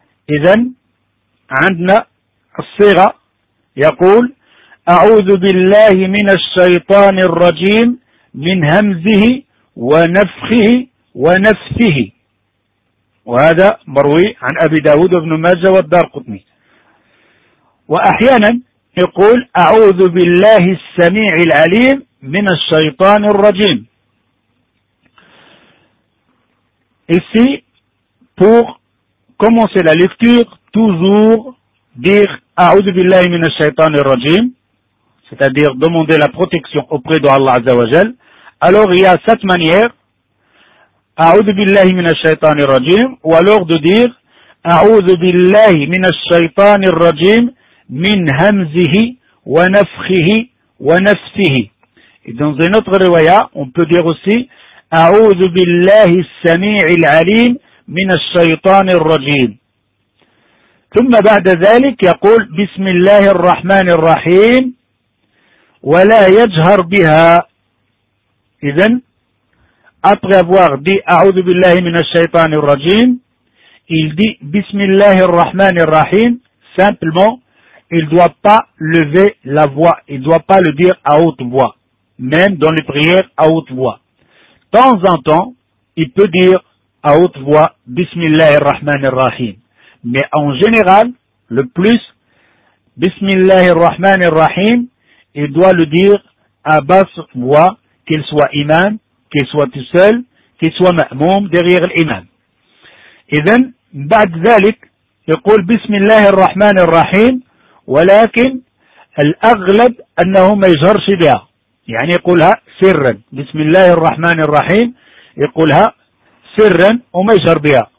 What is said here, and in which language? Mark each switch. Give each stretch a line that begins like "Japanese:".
Arabic: إذن عندنا الصيغة يقول أعوذ بالله من الشيطان الرجيم من همزه ونفخه ونفثه. وهذا مروي عن أبي داود بن ماجه والدارقطني. وأحيانا يقول أعوذ بالله السميع العليم من الشيطان الرجيم.
French: Ici, pour commencer la lecture, toujours dire
Arabic: أعوذ بالله من الشيطان الرجيم,
French: c'est-à-dire demander la protection auprès de Allah عز وجل. Alors il y a cette manière,
Arabic: أعوذ بالله من الشيطان الرجيم,
French: ou alors de dire
Arabic: أعوذ بالله من الشيطان الرجيم من همزه ونفخه ونفثه.
French: Et dans une autre riwaya, on peut dire aussi
Arabic: أعوذ بالله السميع العليم من الشيطان الرجيم. ثم بعد ذلك يقول بسم الله الرحمن الرحيم ولا يجهر بها. إذن
French: après avoir dit
Arabic: أعوذ بالله من الشيطان الرجيم
French: il dit
Arabic: بسم الله الرحمن الرحيم.
French: Simplement il doit pas lever la voix, il doit pas le dire à haute voix, même dans les prières à haute voix. De temps en temps, il peut dire à haute voix Bismillahir Rahmanir Rahim. Mais en général, le plus Bismillahir Rahmanir Rahim, il doit le dire à basse voix, qu'il soit imam, qu'il soit tout seul, qu'il soit ma'moum derrière l'imam. Et then,
Arabic: بعد ذلك,
French: il dit
Arabic: Bismillahir Rahmanir Rahim, ولكن الأغلب أنه ما يجهرش بها. يعني يقولها سرا بسم الله الرحمن الرحيم يقولها سرا وما يجهر بها.